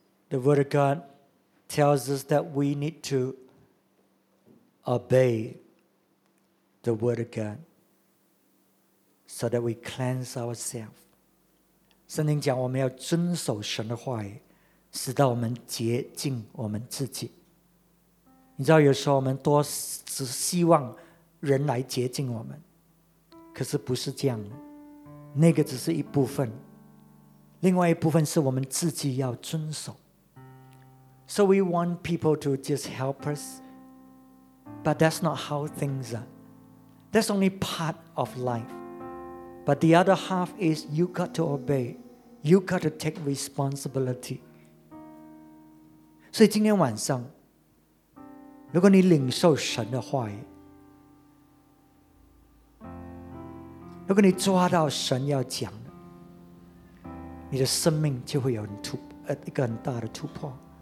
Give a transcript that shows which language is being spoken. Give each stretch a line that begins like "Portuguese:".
English: The word of God tells us that we need to obey the word of God so that we cleanse ourselves.
Chinese: 圣经讲我们要遵守神的话语，使到我们洁净我们自己。你知道有时候我们多只希望人来洁净我们，可是不是这样的，那个只是一部分，另外一部分是我们自己要遵守。
English: So we want people to just help us. But that's not how things are. That's only part of life. But the other half is you got to obey. You got to take responsibility. So tonight,
Chinese: 晚上如果你领受神的话语，如果你抓到神要讲的，你的生命就会有一个很大的突破。